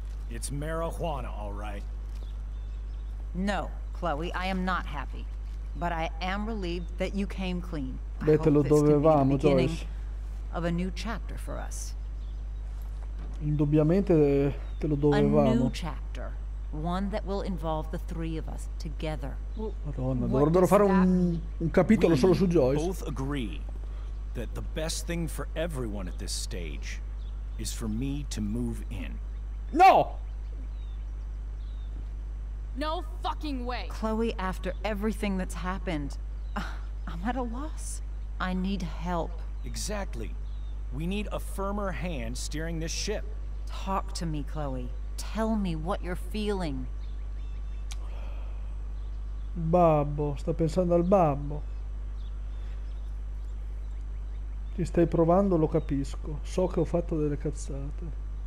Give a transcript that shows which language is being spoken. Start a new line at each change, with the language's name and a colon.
English: It's marijuana, all right. No, Chloe, I am not happy, but I am relieved that you came clean.
Italian: Beh, te lo dovevamo, Joyce.
English: Of a new chapter for us.
Italian: Indubbiamente te lo dovevamo.
English: A new chapter, one that will involve the three of us together.
Italian: Madonna, dovrebbero fare un capitolo solo su Joyce.
English: We both agree that the best thing for everyone at this stage is for me to move in. No! No fucking way. Chloe, after everything that's happened, I'm at a loss. I need help. Exactly. We need a firmer hand steering this ship. Talk to me, Chloe. Tell me what you're feeling.
Italian: Babbo, sto pensando al babbo. Ti stai provando, lo capisco. So che ho fatto delle cazzate.